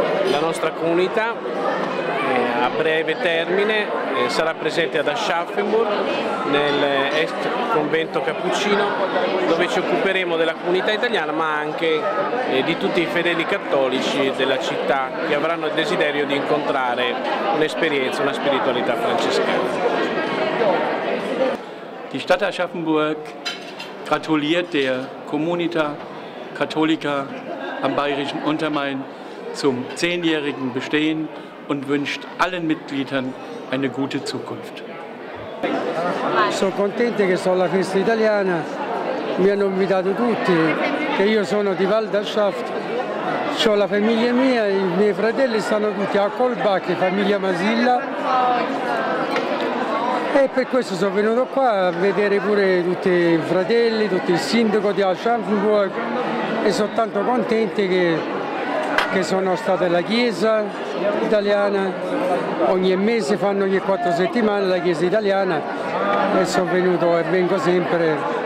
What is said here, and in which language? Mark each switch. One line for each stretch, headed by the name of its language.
Italian: La nostra comunità a breve termine sarà presente ad Aschaffenburg nel est convento cappuccino, dove ci occuperemo della comunità italiana ma anche di tutti i fedeli cattolici della città che avranno il desiderio di incontrare un'esperienza, una spiritualità francescana.
German: Die Stadt Aschaffenburg gratuliert der Comunità Cattolica am Bayerischen Untermain zum 10-jährigen Bestehen und wünscht allen Mitgliedern eine gute Zukunft.
Italian: Sono contento che sono alla festa italiana, mi hanno invitato tutti, che io sono di Waldschaft, ho la famiglia mia, i miei fratelli stanno tutti a Kolbach, famiglia Masilla. E per questo sono venuto qua a vedere pure tutti i fratelli, tutto il sindaco di Aschaffenburg e sono tanto contento che sono stato alla chiesa italiana, ogni mese fanno ogni 4 settimane la chiesa italiana e sono venuto e vengo sempre.